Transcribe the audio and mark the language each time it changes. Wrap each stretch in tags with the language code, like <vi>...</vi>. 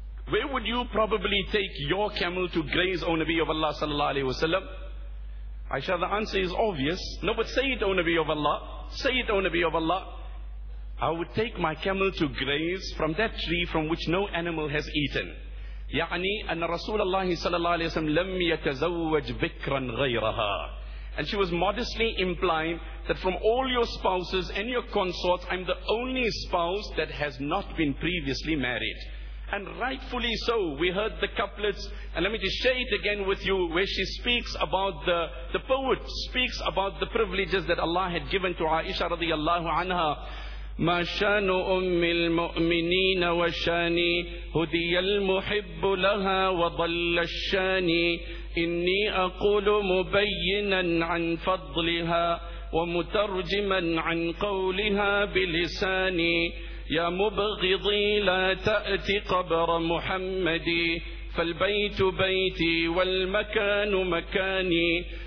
<en>Where would you probably take your camel to graze, O Nabi of Allah sallallahu alayhi wa sallam? Aisha, the answer is obvious. No, but say it, O Nabi of Allah. Say it, O Nabi of Allah. I would take my camel to graze from that tree from which no animal has eaten.</en> <ar>يعني أن رسول الله صلى الله عليه وسلم لم يتزوج بكرا غيرها.</ar> <en>And she was modestly implying that from all your spouses and your consorts, I'm the only spouse that has not been previously married. And rightfully so, we heard the couplets, and let me just share it again with you, where she speaks about the poet speaks about the privileges that Allah had given to Aisha radiallahu anha.</en> <ar>مَا شَانُ أُمِّ الْمُؤْمِنِينَ وَشَانِي هُدِيَ الْمُحِبُّ لَهَا وَضَلَّ الشَّانِي إِنِّي أَقُولُ مُبَيِّنًا عَنْ فَضْلِهَا وَمُتَرْجِمًا عَنْ قَوْلِهَا بِلِسَانِي يا مبغضي لا تأتي قبر محمدي فالبيت بيتي والمكان مكاني</ar>